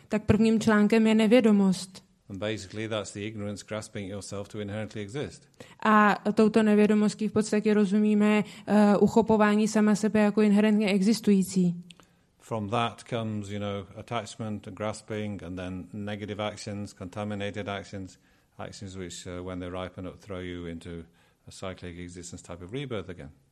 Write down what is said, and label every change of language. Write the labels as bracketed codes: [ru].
[cs] Tak prvním článkem je nevědomost. [en] And basically that's the ignorance grasping yourself to inherently exist. [cs] A touto nevědomostí v podstatě rozumíme uchopování sama sebe jako inherentně existující. [en] From that comes, attachment and grasping and then negative actions, contaminated actions which when they ripen up throw you into a cyclic existence type of rebirth again.